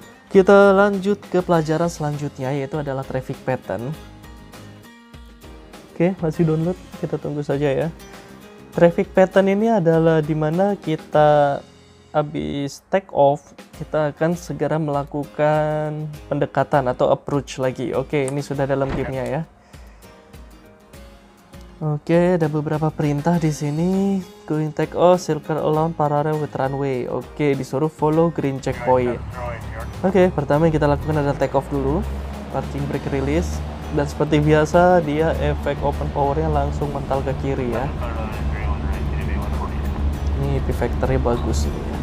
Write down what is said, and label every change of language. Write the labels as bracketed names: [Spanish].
[Indonesian] Kita lanjut ke pelajaran selanjutnya, yaitu adalah traffic pattern. Oke, masih download. Kita tunggu saja ya. Traffic pattern ini adalah di mana kita habis take off, kita akan segera melakukan pendekatan atau approach lagi. Oke, ini sudah dalam game-nya ya. Oke, ada beberapa perintah di sini. [English] Going take off, circle around parallel with runway. [Indonesian] Oke, disuruh follow green checkpoint. Oke, pertama yang kita lakukan adalah take off dulu. [English] Parking brake release. [Indonesian] Dan seperti biasa, dia efek open power-nya langsung mental ke kiri ya. Ini P-factor-nya bagus ini.